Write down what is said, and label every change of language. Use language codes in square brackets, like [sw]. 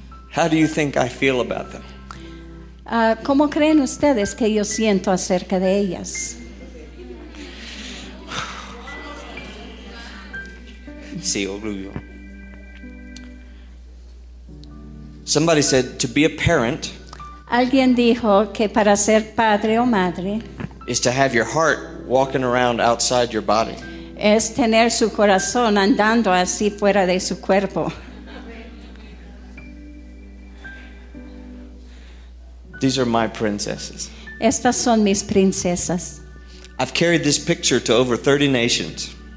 [en] How do you think I feel about them? [es] ¿Cómo creen ustedes que yo siento acerca de ellas? Sí, orgullo. [en] Somebody said to be a parent. [es] Alguien dijo que para ser padre o madre [en] is to have your heart walking around outside your body. [es] Es tener su corazón andando así fuera de su cuerpo. [en] These are my princesses. [es] Estas son mis princesas. [en] I've carried this picture to over 30 nations.